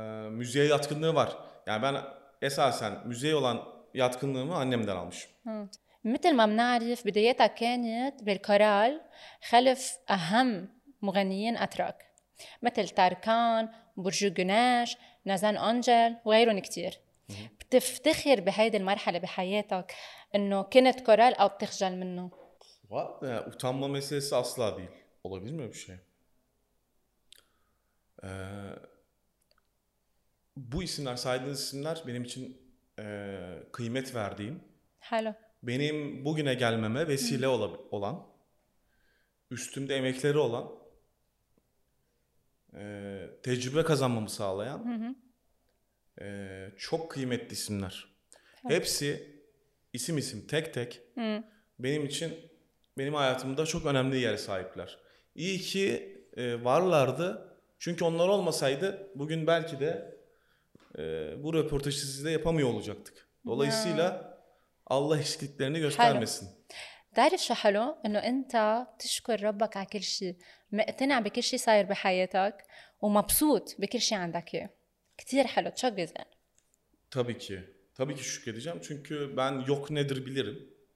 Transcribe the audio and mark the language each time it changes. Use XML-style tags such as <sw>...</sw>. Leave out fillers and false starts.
<tr>Müziğe yatkınlığı var. Yani ben esasen müziğe olan yatkınlığımı annemden almışım.</tr> <ar>مثل ما بنعرف بدايتها كانت بالكورال خلف أهم مغنيين أتراك مثل تاركان برجو جناش نازان أنجل وغيرهم كتير بتفتخر بهيدي المرحلة بحياتك إنه كنت كورال أو بتخجل منه</ar> <tr>Utanma meselesi asla değil. Olabilir mi bir şey? Bu isimler, saydığınız isimler benim için kıymet verdiğim,</tr> <en>Hello.</en> <tr>benim bugüne gelmeme vesile olan, üstümde emekleri olan, tecrübe kazanmamı sağlayan çok kıymetli isimler. Hepsi isim isim tek tek benim için benim hayatımda çok önemli yere sahipler. İyi ki varlardı. Çünkü onlar olmasaydı bugün belki de Bu röportajı sizde yapamıyor olacaktık. Dolayısıyla Allah eksikliklerini göstermesin.</tr> <ar>تعرف شو حلو؟ إنه أنت تشكر ربك على كل شيء، مقتنع بكل شيء صاير بحياتك ومبسوط بكل شيء عندك إياه. كثير حلو، تشك جزئين.</ar> <tr>Tabii ki. Tabii ki şükredeceğim. Çünkü ben yok nedir bilirim.</tr>